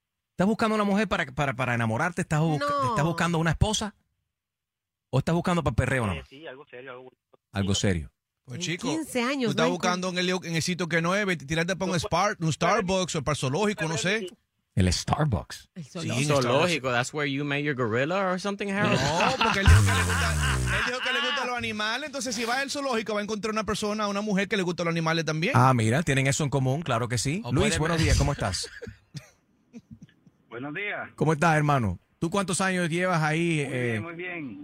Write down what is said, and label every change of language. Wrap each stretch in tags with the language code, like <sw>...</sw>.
<es>¿Estás buscando una mujer para enamorarte? ¿Estás buscando una esposa? ¿O estás buscando para perreo nomás? Sí, algo serio. Algo serio. Pues chico, 15 años, tú estás buscando en el sitio que no es, tirarte para un Starbucks o para zoológico, no sé. El Starbucks. Zoológico.</es> <en>That's where you met your gorilla or something, Harold.</en> <es>No, porque él dijo que le gusta los animales. Entonces, si va al zoológico, va a encontrar una persona, una mujer que le gusta los animales también. Ah, mira, tienen eso en común, claro que sí. Luis, buenos días, ¿cómo estás? Buenos días. ¿Cómo estás, hermano? ¿Tú cuántos años llevas ahí muy bien.</es>